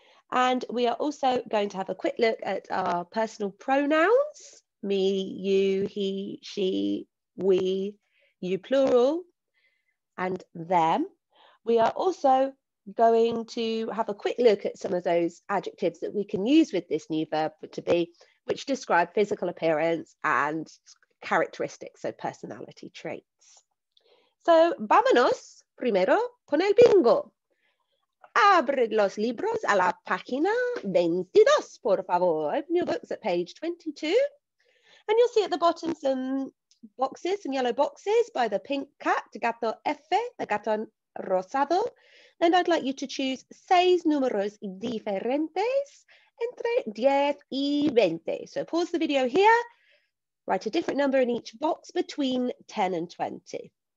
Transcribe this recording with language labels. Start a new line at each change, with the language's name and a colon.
English: And we are also going to have a quick look at our personal pronouns: me, you, he, she, we, you plural, and them. We are also going to have a quick look at some of those adjectives that we can use with this new verb for to be, which describe physical appearance and characteristics, so personality traits.
Spanish: So, vámonos primero con el bingo. Abre los libros a la página 22, por favor.
English: Open your books at page 22. And you'll see at the bottom some boxes, some yellow boxes by the pink cat, gato F, the gato rosado. And I'd like you to choose
Spanish: seis números diferentes entre 10 y 20.
English: So pause the video here, write a different number in each box between 10 and 20.